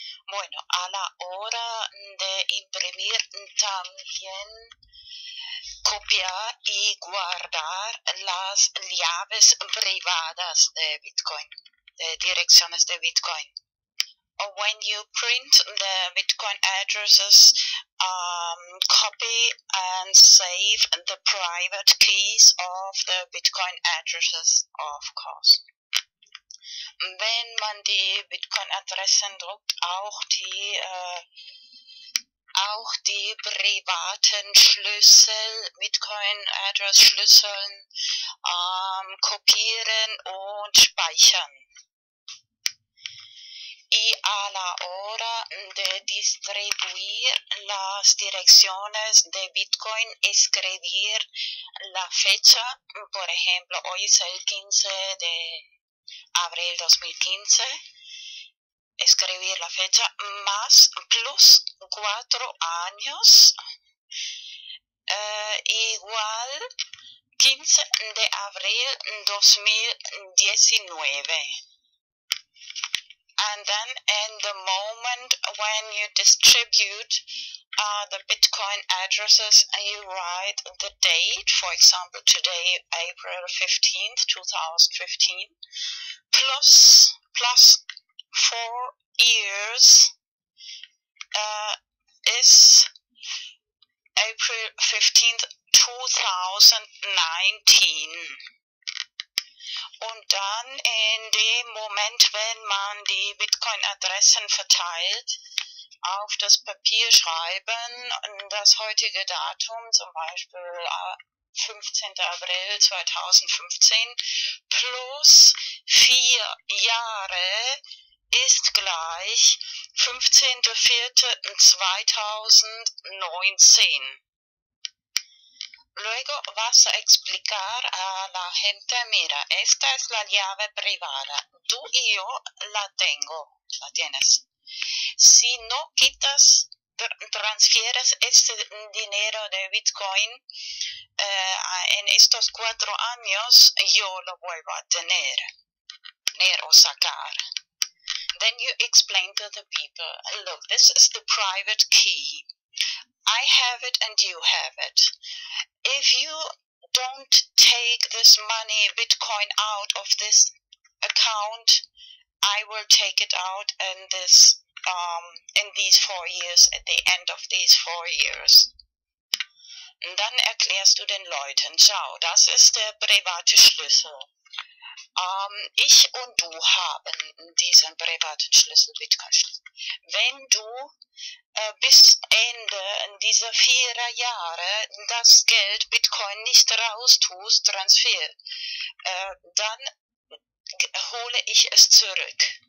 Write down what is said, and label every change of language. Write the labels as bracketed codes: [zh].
[es] Bueno, a la hora de imprimir también, copiar y guardar las llaves privadas de Bitcoin, de direcciones de Bitcoin. [en] When you print the Bitcoin addresses, copy and save the private keys of the Bitcoin addresses, of course. [de] Wenn man die Bitcoin-Adressen druckt, auch die privaten Schlüssel, Bitcoin-Address-Schlüsseln, kopieren und speichern. [es] Y a la hora de distribuir las direcciones de Bitcoin, escribir la fecha, por ejemplo, hoy es el 15 de abril 2015, escribir la fecha más plus 4 años igual 15 de abril 2019. [en] And then in the moment when you distribute the Bitcoin addresses, you write the date, for example, today, April 15th, 2015, plus 4 years is April 15th, 2019. [de] Und dann in dem Moment, wenn man die Bitcoin-Adressen verteilt, auf das Papier schreiben, das heutige Datum, zum Beispiel 15. April 2015, plus 4 Jahre, ist gleich 15.04.2019. [es] Luego vas a explicar a la gente, mira, esta es la llave privada. Tú y yo la tengo, la tienes. Si no quitas, transfieres este dinero de Bitcoin en estos 4 años, yo lo vuelvo a tener o sacar. [en] Then you explain to the people, look, this is the private key. I have it and you have it. If you don't take this money, Bitcoin, out of this account, I will take it out in this, in these 4 years, at the end of these 4 years. [de] Und dann erklärst du den Leuten, schau, das ist der private Schlüssel. Ich und du haben diesen privaten Schlüssel, Bitcoin-Schlüssel. Wenn du bis Ende dieser 4 Jahre das Geld Bitcoin nicht raus tust, Transfer, dann hole ich es zurück.